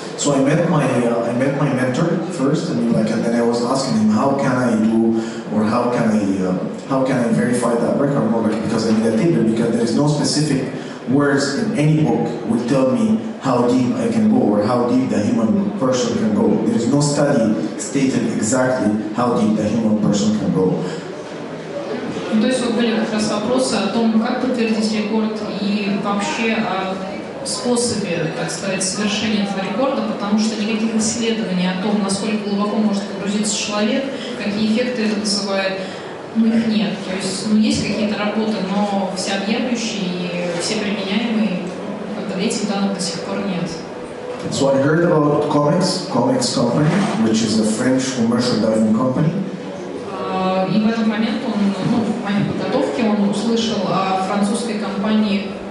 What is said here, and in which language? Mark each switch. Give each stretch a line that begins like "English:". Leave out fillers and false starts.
English: So I met my mentor first, I mean, like, and then I was asking him how can I verify that record holder, because I need a table, because there is no specific words in any book will tell me how deep I can go or how deep the human person can go. There is no study stated exactly how deep the human person can go.
Russian: То есть вот были как раз вопросы о том, как подтвердить рекорд и вообще о способе, так сказать, совершения этого рекорда, потому что никаких исследований о том, насколько глубоко может погрузиться человек, какие эффекты это вызывает, ну, их нет. То есть, ну, есть какие-то работы, но всеобъемлющие и все применяемые, как бы этих данных до сих пор нет.
English: So I heard about Comex, Comex company, which is a French commercial diving company.
Russian: И в этот момент он, ну, в момент подготовки, он услышал о французской компании